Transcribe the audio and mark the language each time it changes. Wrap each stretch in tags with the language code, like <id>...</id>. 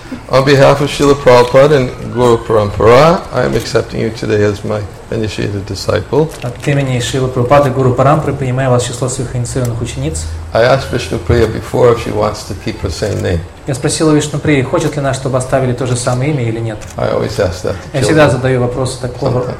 <en>On behalf of Srila Prabhupada and Guru Parampara, I am accepting you today as my initiated disciple.</en> <ru>От имени Шрилы Прабхупады Гуру Парампары принимаю вас в число своих инициированных учениц.</ru> <en>I asked Vishnu Priya before if she wants to keep her same name.</en> <ru>Я спросил у Вишну Прии, хочет ли она, чтобы оставили то же самое имя или нет.</ru> <en>I always ask that.</en> <ru>Я всегда задаю вопрос такого.</ru>